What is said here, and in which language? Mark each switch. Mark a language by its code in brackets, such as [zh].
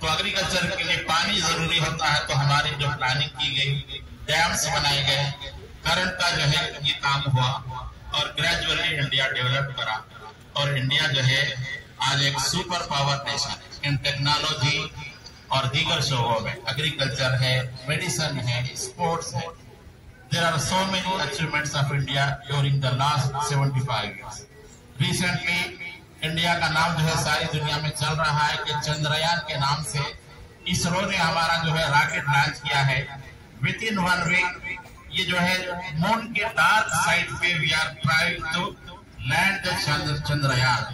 [hi] तो एग्रीकल्चर के लिए पानी जरूरी होता है, तो हमारे जो प्लानिंग की गई, डैम्स बनाए गए, करंट का जो है ये काम हुआ और ग्रेजुअली इंडिया डेवलप करा और इंडिया जो है आज एक [en] super power nation in technology [hi] और दीगर शोबों में, एग्रीकल्चर है, मेडिसिन है, स्पोर्ट्स है. [en] There are so many achievements of India during the last 75 years. [hi] Recently, India का नाम जो है सारी दुनिया में चल रहा है कि चंद्रयान के नाम से इसरो ने हमारा जो है रॉकेट लॉन्च किया है. [en] Within one week, [hi] ये जो है मून के डार्क साइड पे [en] we are trying to land the Chandrayaan.